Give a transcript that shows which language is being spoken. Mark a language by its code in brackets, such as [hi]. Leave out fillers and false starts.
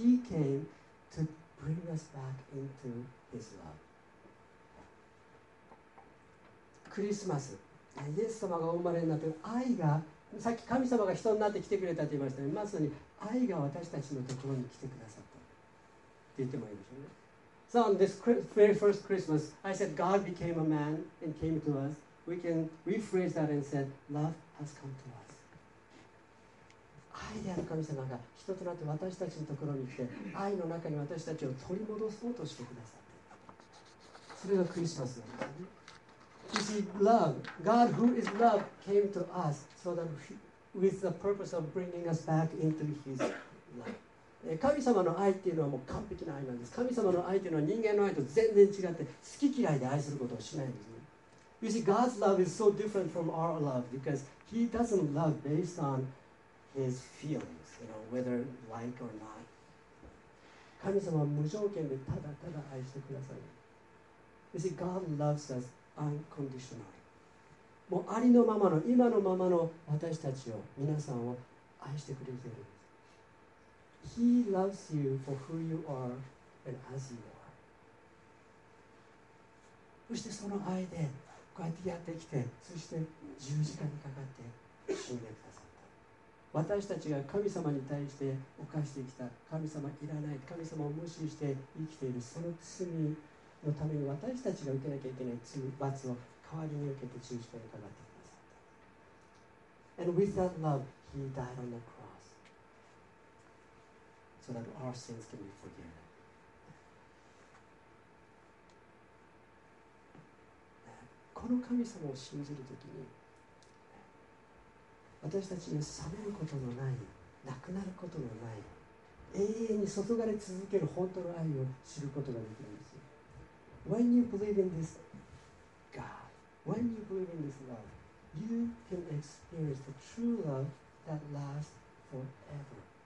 [en] He came to bring us back into His love. [ja] クリスマス、イエス様がお生まれになって愛が、さっき神様が人になって来てくれたと言いましたね。まさに愛が私たちのところに来てくださったって言ってもいいでしょうね。 [en] So on this very first Christmas, I said God became a man and came to us. We can rephrase that and said love has come to us. [ja] 愛である神様が人となって私たちのところに来て、愛の中に私たちを取り戻そうとしてくださって、それがクリスマスなんですね。 [en] You see, love, God who is love came to us so that with the purpose of bringing us back into His love. [ja] 神様の愛っていうのはもう完璧な愛なんです。神様の愛っていうのは人間の愛と全然違って、好き嫌いで愛することをしないんですね。 [en] You see, God's love is so different from our love because He doesn't love based onHis feelings, you know, whether like or not. [ja] 神様は無条件でただただ愛してください。 [en] You see, God loves us unconditionally. [ja] もうありのままの、今のままの私たちを、皆さんを愛してくれているんです。 [en] He loves you for who you are and as you are. [ja] そしてその愛で、こうやってやってきて、そして十字架にかかって死んでください。私たちが神様に対して犯してきた、神様いらない、神様を無視して生きているその罪のために、私たちが受けなきゃいけない罪罰を代わりに受けて十字架にかかってくださった。 [en] And with that love He died on the cross so that our sins can be forgiven. [ja] この神様を信じるときに、私たちに冷めることのない、なくなることのない、永遠に注がれ続ける本当の愛を知ることができるんですよ。 [en] When you believe in this God, when you believe in this love, you can experience the true love that lasts forever.